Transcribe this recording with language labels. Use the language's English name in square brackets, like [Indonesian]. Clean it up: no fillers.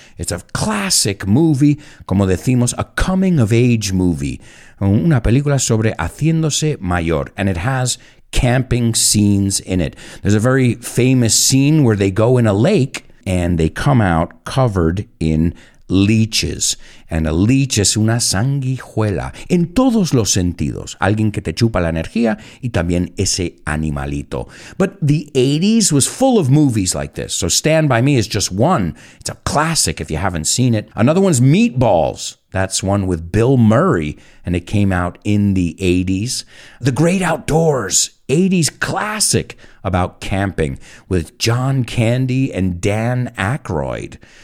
[English] It's a classic movie, [Spanish] como decimos, [English] a coming-of-age movie. [Spanish] Una película sobre haciéndose mayor. [English] And it has camping scenes in it. There's a very famous scene where they go in a lake and they come out covered in leeches. And a leech is [Spanish] una sanguijuela. En todos los sentidos. Alguien que te chupa la energía y también ese animalito. [English] But the 80s was full of movies like this. So Stand By Me is just one. It's a classic if you haven't seen it. Another one's Meatballs. That's one with Bill Murray. And it came out in the 80s. The Great Outdoors. 80s classic about camping with John Candy and Dan Aykroyd.